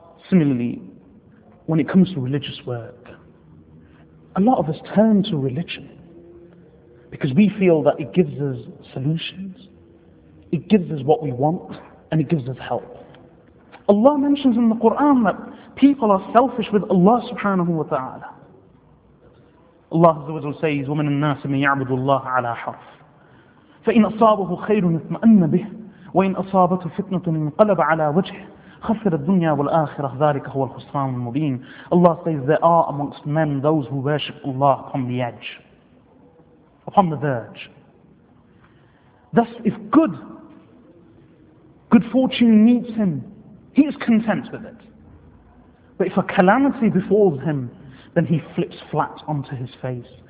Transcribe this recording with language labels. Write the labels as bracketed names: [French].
[English] Similarly, when it comes to religious work, a lot of us turn to religion because we feel that it gives us solutions, it gives us what we want, and it gives us help. Allah mentions in the Quran that people are selfish with Allah subhanahu wa ta'ala. Allah Azza wa Jalla says, [Arabic] وَمَنَ النَّاسِ مَنْ يَعْبُدُ اللَّهَ عَلَىٰ حَرْفٍ فَإِنْ أَصَابَهُ خَيْرٌ اطْمَأَنَّ بِهِ وَإِنْ أَصَابَتْهُ فِتْنَةٌ انْقَلَبَ عَلَىٰ وَجْهِهِ خَسِرَ الدُّنْيَا وَالْآخِرَةَ ذَلِكَ هُوَ الْخُسْرَانُ الْمُبِينُ. [English] Allah says, there are amongst men those who worship Allah upon the edge, upon the verge. Thus, if good fortune meets him, he is content with it. But if a calamity befalls him, then he flips flat onto his face.